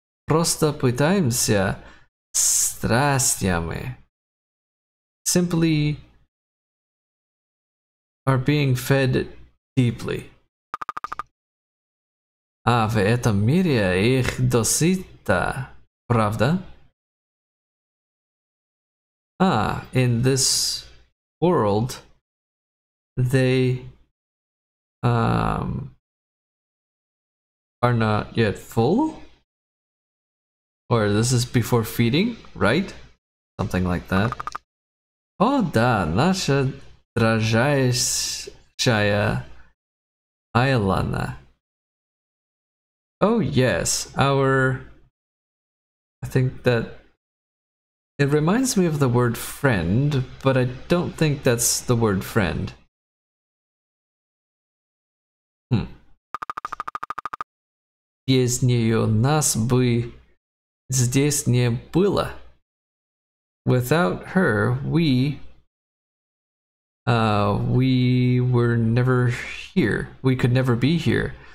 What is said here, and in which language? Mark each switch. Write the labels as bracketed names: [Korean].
[Russian] Просто пытаемся страстями. [English] Simply are being fed deeply. [Russian] А в этом мире их досыта, правда? [English] In this world, they are not yet full? Or this is before feeding, right? Something like that. [Russian] О, да, наша дражайшая Айлана. [English] Oh yes, our. I think that it reminds me of the word friend, but I don't think that's the word friend. [Russian] Без нее нас бы здесь не было. [English] Without her, we were never here. We could never be here.